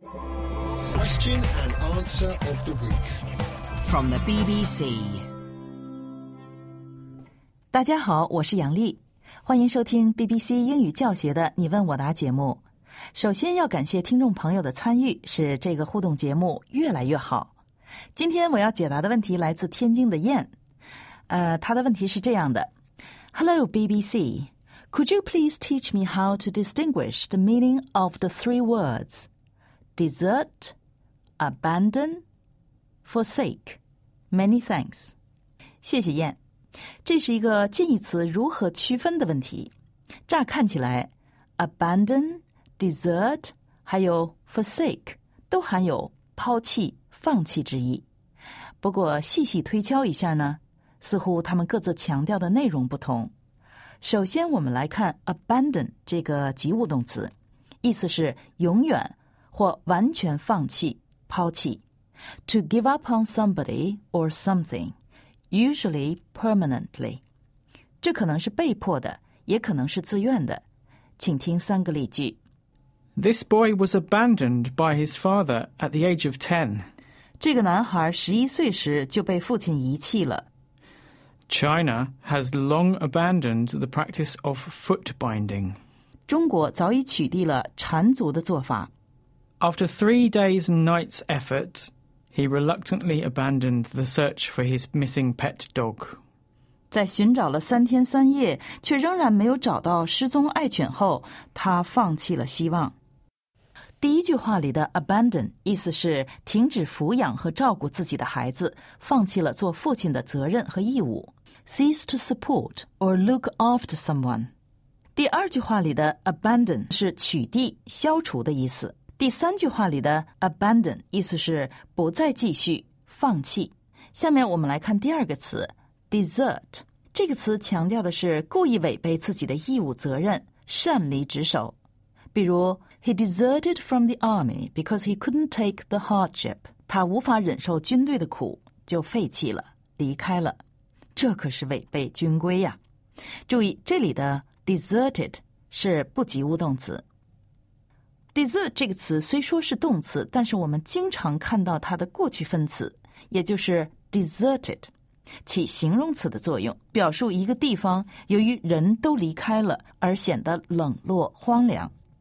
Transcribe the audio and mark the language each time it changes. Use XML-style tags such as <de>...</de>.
<en>Question and answer of the week from the BBC.</en> <zh>大家好，我是杨丽，欢迎收听 BBC 英语教学的你问我答节目。首先要感谢听众朋友的参与，使这个互动节目越来越好。今天我要解答的问题来自天津的燕，他的问题是这样的</zh> <en>：Hello BBC, could you please teach me how to distinguish the meaning of the three words desert, abandon, forsake? Many thanks.</en> <zh>谢谢燕，这是一个近义词如何区分的问题。乍看起来 ，abandon、desert 还有 forsake 都含有抛弃、放弃之意。不过细细推敲一下呢，似乎他们各自强调的内容不同。首先我们来看 abandon 这个及物动词，意思是永远或完全放弃、抛弃。</zh> <en>To give up on somebody or something, usually permanently.</en> <zh>这可能是被迫的，也可能是自愿的。请听三个例句。</zh> <en>This boy was abandoned by his father at the age of 10.</en> <zh>这个男孩11岁时就被父亲遗弃了。</zh> <en>China has long abandoned the practice of foot binding.</en> <zh>中国早已取缔了缠足的做法。</zh> <en>After 3 days and nights' effort, he reluctantly abandoned the search for his missing pet dog.</en> <zh>在寻找了三天三夜，却仍然没有找到失踪爱犬后，他放弃了希望。第一句话里的 abandon 意思是停止抚养和照顾自己的孩子，放弃了做父亲的责任和义务。</zh> <en>Cease to support or look after someone.</en> <zh>第二句话里的 abandon 是取缔、消除的意思。第三句话里的 abandon 意思是不再继续、放弃。下面我们来看第二个词 desert。这个词强调的是故意违背自己的义务责任，擅离职守。比如</zh> <en>，He deserted from the army because he couldn't take the hardship.</en> <zh>他无法忍受军队的苦，就废弃了，离开了。这可是违背军规呀！注意，这里的 deserted 是不及物动词。 desert 这个词虽说是动词，但是我们经常看到它的过去分词，也就是 deserted， 起形容词的作用，表述一个地方由于人都离开了而显得冷落荒凉。</zh>